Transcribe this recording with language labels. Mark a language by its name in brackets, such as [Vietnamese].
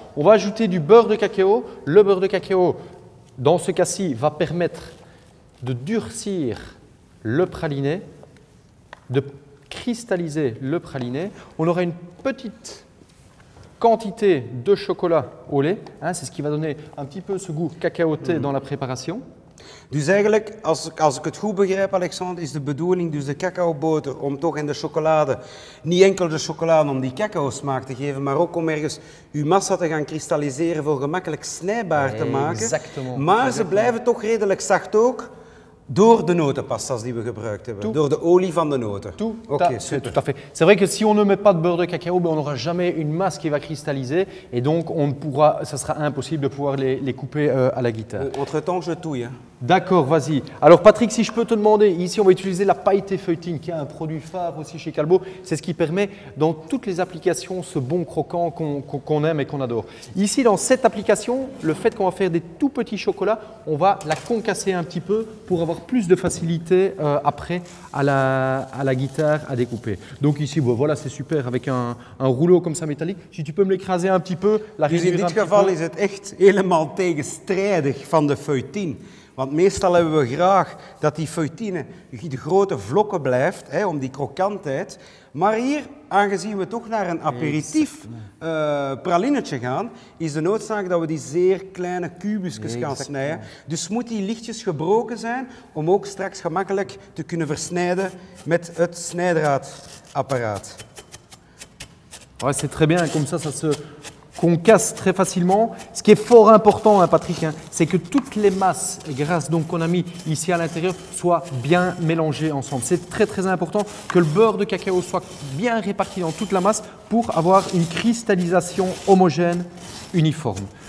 [French] On va ajouter du beurre de cacao. Le beurre de cacao, dans ce cas-ci, va permettre de durcir le praliné, de cristalliser le praliné. On aura une petite quantité de chocolat au lait, c'est ce qui va donner un petit peu ce goût cacaoté dans la préparation. [Dutch] Dus eigenlijk, als ik het goed begrijp, Alexandre, is de bedoeling dus de cacaoboter om toch in de chocolade, niet enkel de chocolade om die cacaosmaak te geven, maar ook om ergens uw massa te gaan kristalliseren voor gemakkelijk snijbaar te maken. [French] Exactement. [Dutch] Maar ze blijven toch redelijk zacht ook door de notenpasta's die we gebruikt hebben, door de olie van de noten. [French] Tout à fait. C'est vrai que si on ne met pas de beurre de cacao, ben on n'aura jamais une masse qui va cristalliser et donc on pourra, ça sera impossible de pouvoir les couper à la guitare. Entre-temps, je touille. D'accord, vas-y. Alors Patrick, si je peux te demander, ici on va utiliser la pailleté feuilletine qui est un produit phare aussi chez Calbo. C'est ce qui permet dans toutes les applications ce bon croquant qu'on aime et qu'on adore. Ici, dans cette application, le fait qu'on va faire des tout petits chocolats, on va la concasser un petit peu pour avoir plus de facilité après à la guitare à découper. Donc ici, bon, voilà, c'est super avec un rouleau comme ça métallique. Si tu peux me l'écraser un petit peu, la résumer un petit peu. Dans ce cas, c'est vraiment [Dutch] helemaal tegenstrijdig van de feuilletine. Want meestal hebben we graag dat die feuilletine de grote vlokken blijft, hè, om die krokantheid. Maar hier, aangezien we toch naar een aperitief pralinetje gaan, is de noodzaak dat we die zeer kleine kubusjes gaan snijden. Dus moet die lichtjes gebroken zijn om ook straks gemakkelijk te kunnen versnijden met het snijdraadapparaat. [French] Ouais, c'est très bien, comme ça, ça se... qu'on casse très facilement. Ce qui est fort important, Patrick, c'est que toutes les masses grasses donc, qu'on a mis ici à l'intérieur soient bien mélangées ensemble. C'est très, très important que le beurre de cacao soit bien réparti dans toute la masse pour avoir une cristallisation homogène, uniforme.